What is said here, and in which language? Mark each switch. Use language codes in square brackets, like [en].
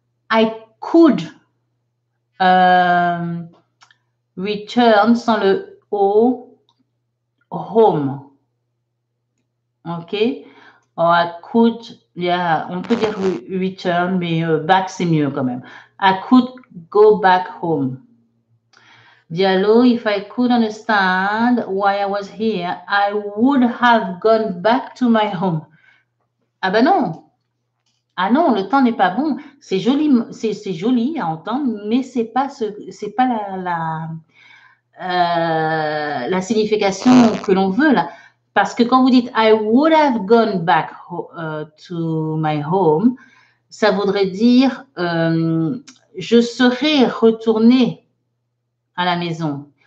[en] I could return [fr] sans le O [en] home. OK. Oh, I could [fr] Yeah, on peut dire return, mais back, c'est mieux quand même. [en] I could go back home. Diallo, if I could understand why I was here, I would have gone back to my home. [fr] Ah ben non. Ah non, le temps n'est pas bon. C'est joli à entendre, mais c'est pas la signification que l'on veut là. Parce que quand vous dites [en] I would have gone back to my home, [fr] ça voudrait dire je serais retourné à la maison.